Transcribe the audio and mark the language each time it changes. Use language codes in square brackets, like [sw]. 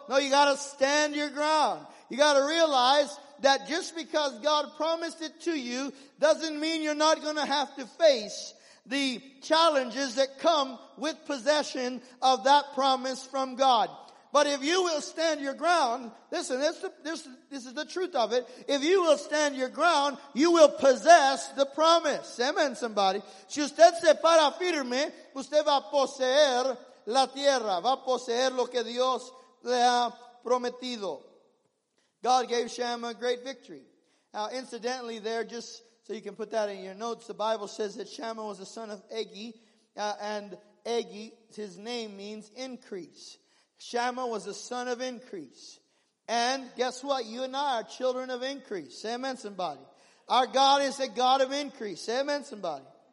[en] No, you got to stand your ground. You got to realize that just because God promised it to you doesn't mean you're not going to have to face the challenges that come with possession of that promise from God. But if you will stand your ground, listen, this is the truth of it. If you will stand your ground, you will possess the promise. Amen, somebody. [es] Si usted se para firme, usted va a poseer la tierra. Va a poseer lo que Dios le ha prometido. [en] God gave Shammah a great victory. Now, incidentally, there, just so you can put that in your notes, the Bible says that Shammah was the son of Agi, and Agi, his name means increase. Shammah was the son of increase. And guess what? You and I are children of increase. Say amen, somebody. Our God is a God of increase. Say amen, somebody.